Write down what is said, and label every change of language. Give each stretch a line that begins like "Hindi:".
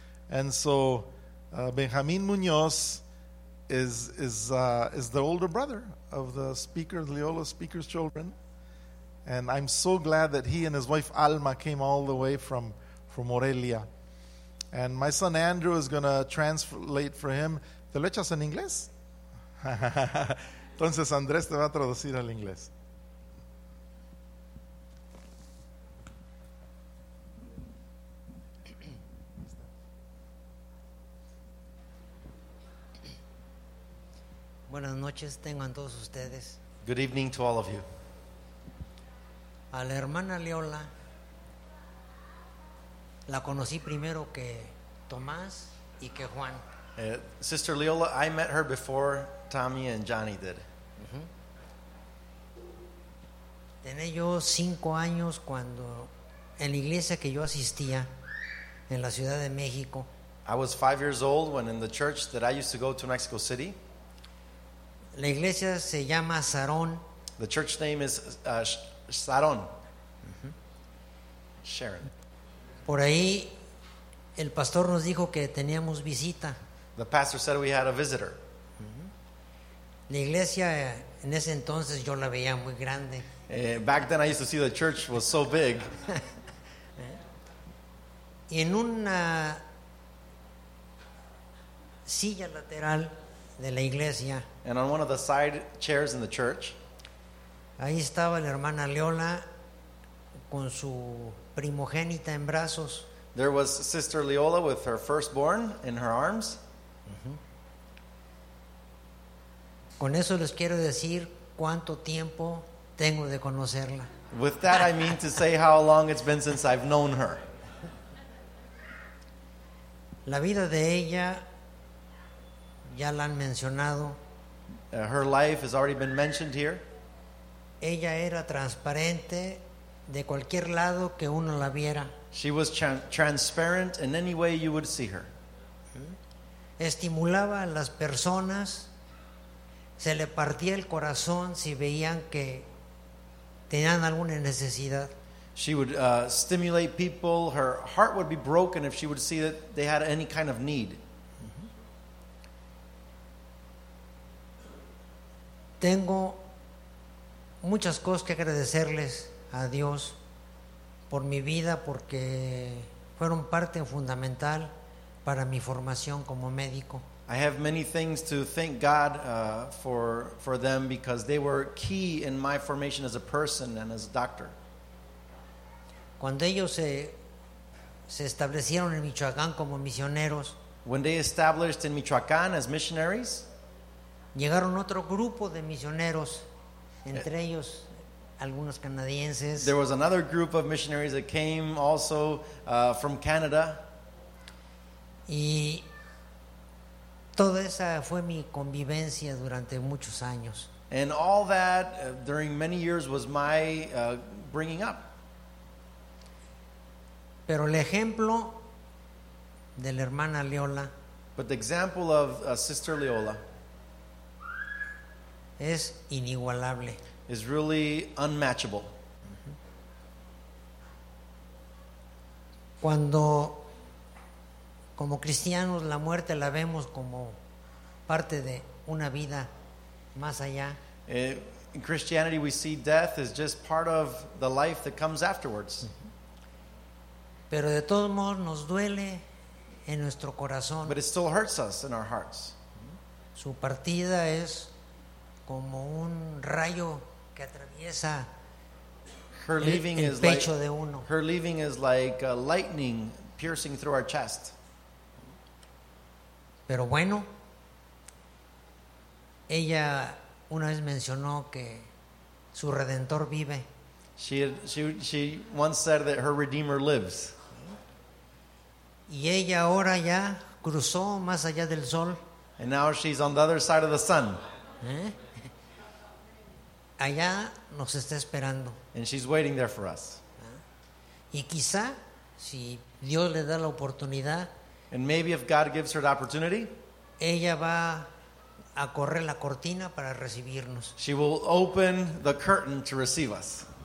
English: And so Benjamin Munoz is the older brother of the speaker, Leola speaker's children. And I'm so glad that he and his wife Alma came all the way from Morelia. And my son Andrew is going to translate for him.
Spanish: ¿Te lo echas en inglés? Entonces Andrés te va a traducir al inglés. Buenas noches tengan todos ustedes.
English: Good evening to all of you.
Spanish: A la hermana Leola la conocí primero que Tomás y que Juan.
English: Sister Leola, I met her before Tommy and Johnny did. Mm-hmm.
Spanish: Tenía yo 5 años cuando en la iglesia que yo asistía en la Ciudad de México.
English: I was 5 years old when in the church that I used to go to Mexico City.
Spanish: La iglesia se llama Sharon.
English: The church name is Sharon. Sharon.
Spanish: Por ahí el pastor nos dijo que teníamos visita.
English: The pastor said we had a visitor.
Spanish: La iglesia en ese entonces yo la veía muy grande.
English: Back then I used to see the church was so big.
Spanish: Y en una silla lateral de la iglesia.
English: And on one of the side chairs in the church.
Spanish: Ahí estaba la hermana Leola con su primogénita en brazos.
English: There was Sister Leola with her firstborn in her arms.
Spanish: Con eso les quiero decir cuánto tiempo tengo de conocerla.
English: With that I mean to say how long it's been since I've known her.
Spanish: La vida de ella ya la han mencionado.
English: Her life has already been mentioned here.
Spanish: Ella era transparente de cualquier lado que uno la viera.
English: She was transparent in any way you would see her.
Spanish: Estimulaba a las personas. Se le partía el corazón si veían que tenían alguna necesidad.
English: She would stimulate people. Her heart would be broken if she would see that they had any kind of need.
Spanish: Tengo muchas cosas que agradecerles a Dios por mi vida porque fueron parte fundamental para mi formación como médico.
English: I have many things to thank God for them because they were key in my formation as a person and as a doctor.
Spanish: Cuando ellos se establecieron en Michoacán como misioneros,
English: when they established in Michoacán as missionaries,
Spanish: llegaron otro grupo de misioneros, entre ellos algunos canadienses.
English: There was another group of missionaries that came also from Canada.
Spanish: Y toda esa fue mi convivencia durante muchos años.
English: And all that during many years was my bringing up.
Spanish: Pero el ejemplo de la hermana Leola.
English: But the example of Sister Leola.
Spanish: Es inigualable.
English: Is really unmatchable.
Spanish: Cuando como cristianos la muerte la vemos como parte de una vida más allá.
English: In Christianity we see death as just part of the life that comes afterwards.
Spanish: Pero de todos modos nos duele en nuestro corazón.
English: But it still hurts us in our hearts.
Spanish: Su partida es como un rayo que atraviesa el pecho de uno.
English: Her leaving is like a lightning piercing through our chest.
Spanish: Pero bueno, ella una vez mencionó que su Redentor vive.
English: She once said that her Redeemer lives.
Spanish: Y ella ahora ya cruzó más allá del sol.
English: And now she's on the other side of the sun.
Spanish: Allá nos está esperando.
English: And she's waiting there for us.
Spanish: Y quizá si Dios le da la oportunidad.
English: And maybe if God gives her the opportunity.
Spanish: Ella va a correr la cortina para recibirnos.
English: She will open the curtain to receive us.